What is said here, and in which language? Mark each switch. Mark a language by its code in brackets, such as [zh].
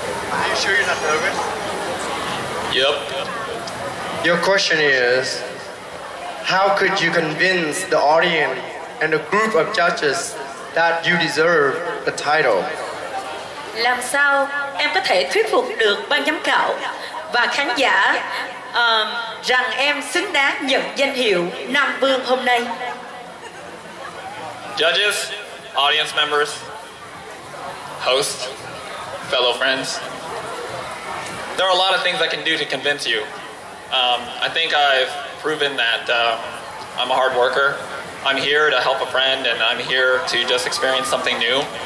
[en] Are you sure you're not nervous? Yep. Your question is, how could you convince the audience and a group of judges that you deserve the title? [vi] Làm sao em có thể thuyết phục được ban giám khảo và khán giả rằng em xứng đáng nhận danh hiệu Nam Vương hôm nay? [en] Judges, audience members, hosts, fellow friends, there are a lot of things I can do to convince you. I think I've proven that I'm a hard worker. I'm here to help a friend, and I'm here to just experience something new.